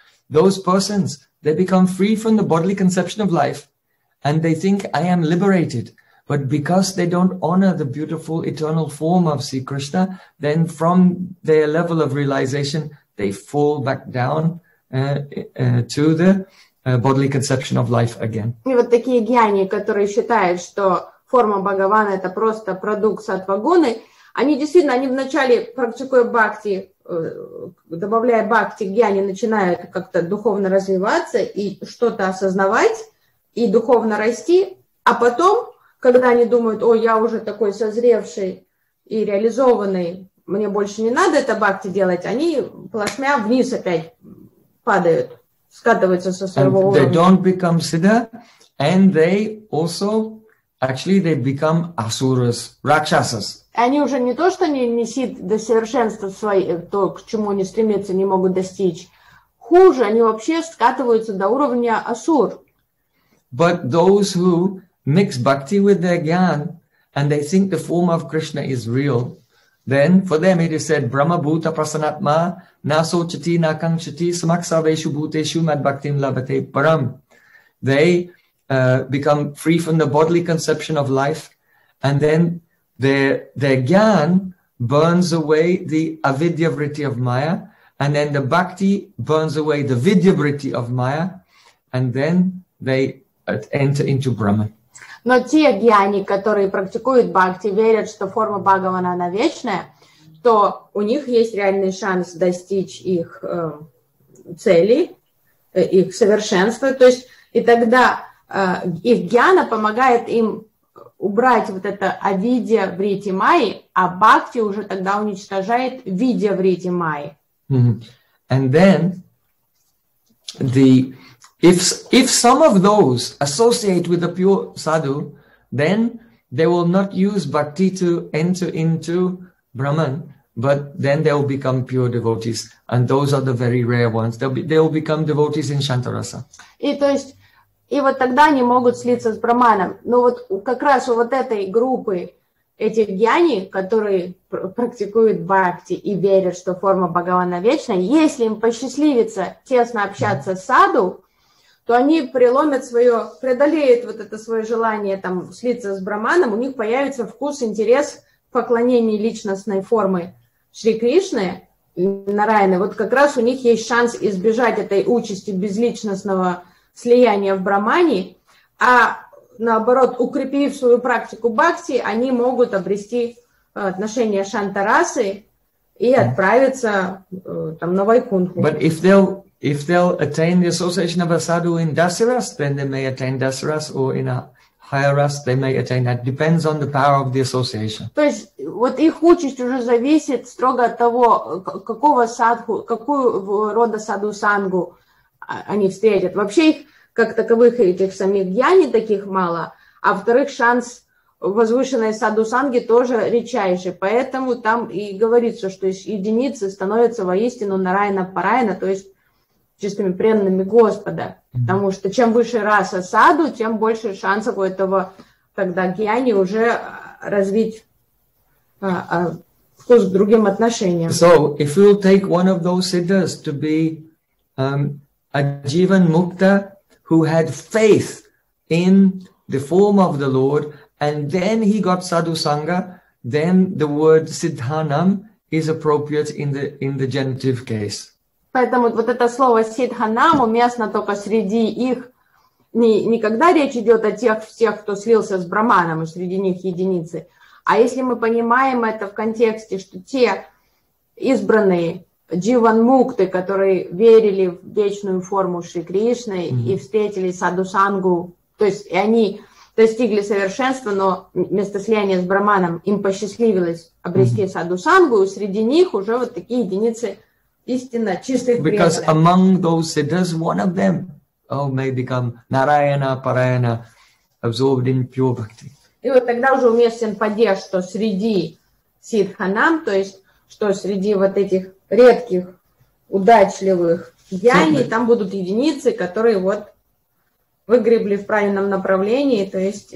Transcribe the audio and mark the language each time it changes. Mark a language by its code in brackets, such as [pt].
[en] Those persons, they become free from the bodily conception of life and they think, I am liberated. But because they don't honor the beautiful eternal form of Sri Krishna, then from their level of realization, they fall back down to the bodily conception of life again. [ru] И вот такие гьяни, которые считают, что форма Бхагавана – это просто продукт сатва-гуны, они действительно, они вначале практикуя бхакти, добавляя бхакти к гьяне, начинают как-то духовно развиваться и что-то осознавать, и духовно расти. А потом, когда они думают, о, я уже такой созревший и реализованный, мне больше не надо это бхакти делать, они плашмя вниз опять падают, скатываются со своего уровня. [en] And they don't become siddha, and they also, actually, they become asuras, rakshasas. [ru] Они уже не то, что не несут до совершенства свои, то, к чему они стремятся, не могут достичь. Хуже, они вообще скатываются до уровня асур. [en] But those who mix bhakti with their jnana, and they think the form of Krishna is real, then for them it is said, [sa] Brahma bhuta prasanatma na sochati na kanchati samaksaveshu bhuteshu mad bhaktim labhate param. [en] They become free from the bodily conception of life, and then Their jnana burns away the avidya vritti of maya, and then the bhakti burns away the vidya vritti of maya, and then they enter into Brahman. [ru] Но те гьяни, которые практикуют бхакти, верят, что форма Бхагавана, она вечная, то у них есть реальный шанс достичь их цели, их совершенства. То есть и тогда их гьяна помогает им убрать вот это авидья вритти майи, а бхакти уже тогда уничтожает видья вритти майи. [en] Mm-hmm. And then If some of those associate with the pure sadhu, then they will not use bhakti to enter into Brahman, but then they will become pure devotees. And those are the very rare ones. They will become devotees in Shantarasa. [ru] И вот тогда они могут слиться с Браманом. Но вот как раз у вот этой группы этих гьяни, которые практикуют бхакти и верят, что форма Бхагавана вечна, если им посчастливится тесно общаться с саду, то они преломят свое, преодолеют вот это свое желание там слиться с Браманом, у них появится вкус, интерес к поклонению личностной формы Шри Кришны, Нараяны. Вот как раз у них есть шанс избежать этой участи безличностного слияния в Брамане, а наоборот, укрепив свою практику бхакти, они могут обрести отношение Шантарасы и отправиться там на Вайкунху. [en] But if they'll attain the association of a sadhu in Dasaras, then they may attain Dasaras, or in a higher ras, they may attain that. Depends on the power of the association. [ru] То есть вот их участь уже зависит строго от того, какого садху, какую рода саду сангу они встретят. Вообще их как таковых этих самих гьяни таких мало, а во-вторых, шанс возвышенной саду санги тоже редчайший. Поэтому там и говорится, что единицы становятся воистину нараяна параяна, то есть чистыми преданными Господа. Потому что чем выше раса саду, тем больше шансов у этого тогда гьяни уже развить вкус к другим отношениям. [en] So, if you'll take one of those siddhas to be a jivan mukta who had faith in the form of the Lord, and then he got sadhu sangha, then the word siddhanam is appropriate in the genitive case. [ru] Поэтому вот это слово сиддханам уместно только среди их, не когда речь идет о тех, кто слился с Браманом, и среди них единицы. А если мы понимаем это в контексте, что те избранные дживан-мукты, которые верили в вечную форму Шри Кришны и встретили саду-сангу, то есть и они достигли совершенства, но вместо слияния с Браманом им посчастливилось обрести саду-сангу, среди них уже вот такие единицы истинно чистых преданных. [en] Because among those siddhas, one of them may become Narayana, Parayana, absorbed in pure bhakti. [ru] И вот тогда уже уместен падеж, что среди сиддханам, то есть что среди вот этих редких, удачливых гьяни, там будут единицы, которые вот выгребли в правильном направлении, то есть